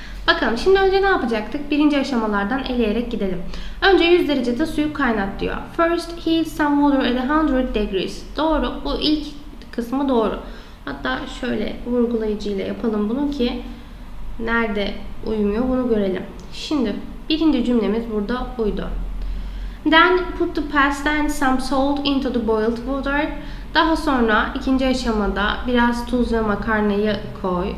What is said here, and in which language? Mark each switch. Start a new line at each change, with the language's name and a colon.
Turkish: Bakalım şimdi önce ne yapacaktık? Birinci aşamalardan eleyerek gidelim. Önce 100 derecede suyu kaynat diyor.
English: First heat some water at 100 degrees.
Turkish: Doğru. Bu ilk kısmı doğru. Hatta şöyle vurgulayıcıyla yapalım bunu ki nerede uymuyor bunu görelim. Şimdi birinci cümlemiz burada uydu.
English: Then put the pasta and some salt into the boiled water.
Turkish: Daha sonra ikinci aşamada biraz tuz ve makarnayı koy.